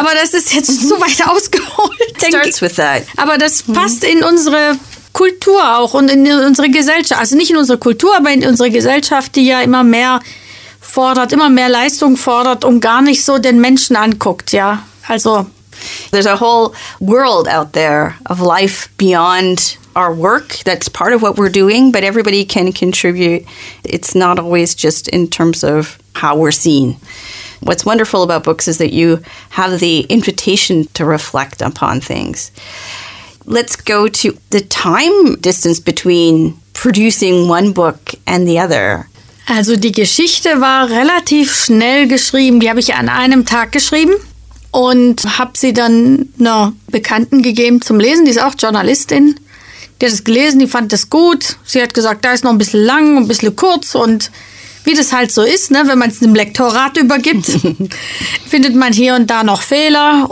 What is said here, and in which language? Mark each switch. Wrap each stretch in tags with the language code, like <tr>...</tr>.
<de>Aber das ist jetzt so weit ausgeholt.</de> <en>Starts with that.</en> <de>Aber das passt in unsere Kultur auch und in unsere Gesellschaft. Also nicht in unsere Kultur, aber in unsere Gesellschaft, die ja immer mehr fordert, immer mehr Leistung fordert und gar nicht so den Menschen anguckt, ja. Also</de> <en>there's a whole world out there of life beyond our work. That's part of what we're doing, but everybody can contribute. It's not always just in terms of how we're seen. What's wonderful about books is that you have the invitation to reflect upon things. Let's go to the time distance between producing one book and the other.</en> <de>Also die Geschichte war relativ schnell geschrieben. Die habe ich an einem Tag geschrieben und habe sie dann einer Bekannten gegeben zum Lesen. Die ist auch Journalistin. Die hat es gelesen, die fand das gut. Sie hat gesagt, da ist noch ein bisschen lang und ein bisschen kurz. Und wie das halt so ist, ne, wenn man es dem Lektorat übergibt, findet man hier und da noch Fehler.</de>